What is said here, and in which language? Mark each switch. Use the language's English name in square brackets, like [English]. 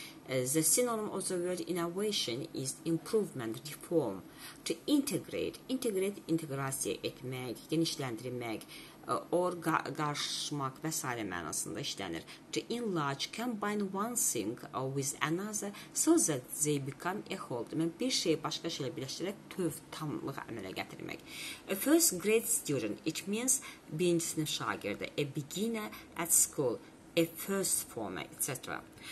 [English] The synonym of the word innovation is improvement, reform. To integrate, [Azerbaijani] integrasiya etmək, genişləndirmək, or qarışmaq və s. mənasında işlənir. [English] To enlarge, combine one thing with another so that they become a whole. [Azerbaijani] Demə, bir şey başqa şeylə birləşdirək, töv, tamlıq əmələ gətirmək. [English] A first grade student, it means [Azerbaijani] birinci sinif şagirdi, [English] a beginner at school, a first former, etc.